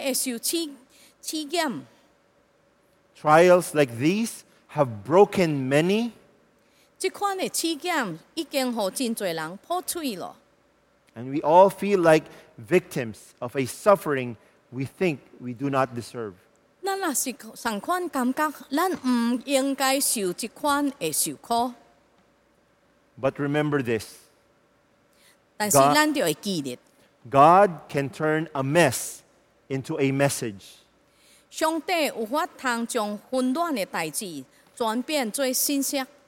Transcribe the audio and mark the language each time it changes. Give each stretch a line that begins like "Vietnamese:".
Min Nan Chinese: 咱也同款真严格的受试验。
English: Trials like these have broken many.
Min Nan Chinese: 这款的试验已经让真侪人破碎了。
English: And we all feel like victims of a suffering we think we do not deserve.
Min Nan Chinese: 咱也同款感觉，咱唔应该受这款的受苦。
English: But remember this.
Min Nan Chinese: 但是咱就会记得。
English: God can turn a mess into a message.
Min Nan Chinese: 上帝有法通将混乱的代志转变做信息。